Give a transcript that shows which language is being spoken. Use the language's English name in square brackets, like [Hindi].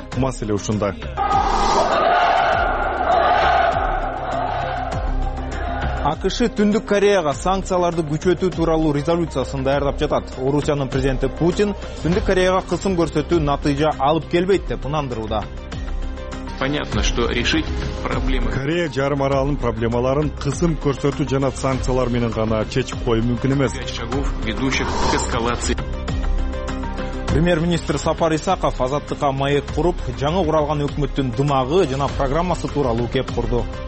[Kyrgyz] Маселе ушунда. АКШ Түндүк Кореяга санкцияларды күчөтүү тууралуу резолюциясын даярдап жатат. Орусиянын президенти Путин Түндүк Кореяга кысым көрсөтүү натыйжа алып келбейт деп ынандырууда. [Russian] Понятно, что решить проблемы. [Kyrgyz] Корея жарым аралынын проблемаларын кысым көрсөтүү жана санкциялар менен гана чечип коюу мүмкүн эмес. Премьер-министр Сапар Исаков Азаттыкка маек куруп, жаңы куралган өкмөттүн дымагы жана программасы тууралуу кеп курду.